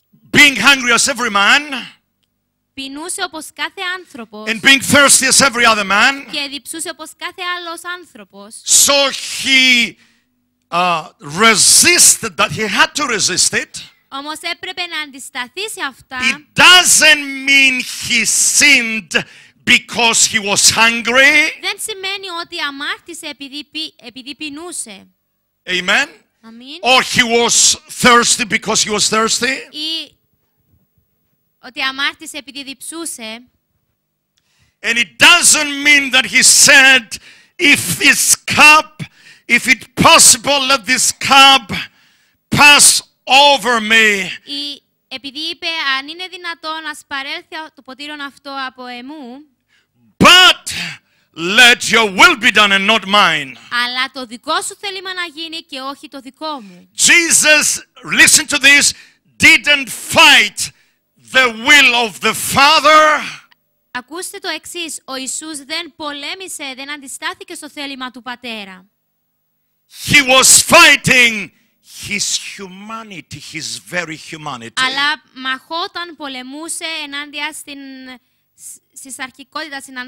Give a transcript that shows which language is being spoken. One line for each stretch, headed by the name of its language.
English: Being hungry as every man,
Greek: πεινούσε όπως κάθε άνθρωπος,
English: and being thirsty as every other man,
Greek: και διψούσε όπως κάθε άλλος άνθρωπος.
English: So he resisted that, he had to resist it.
Greek: Όμως έπρεπε να αντισταθεί σε αυτά.
English: It doesn't mean he sinned because he was hungry.
Greek: Δεν σημαίνει ότι αμάρτησε επειδή πεινούσε.
English: Amen. Or he was thirsty because he was thirsty.
Greek: Ότι αμάρτησε επειδή διψούσε.
English: And it doesn't mean that he said, if this cup, if it possible, let this cup pass over me.
Greek: Επειδή είπε, αν είναι δυνατόν, ας παρέλθει το ποτήρι αυτό από εμού.
English: But let your will be done and not mine.
Greek: Αλλά το δικό σου θέλημα να γίνει και όχι το δικό μου.
English: Jesus, listen to this, didn't fight the will of the Father.
Greek: Ακούστε το εξής, ο Ιησούς δεν πολέμησε, δεν αντιστάθηκε στο θέλημα του Πατέρα.
English: He was fighting his humanity, his very humanity.
Greek: Αλλά μαχόταν, πολεμούσε ενάντια στην αρχικότητα,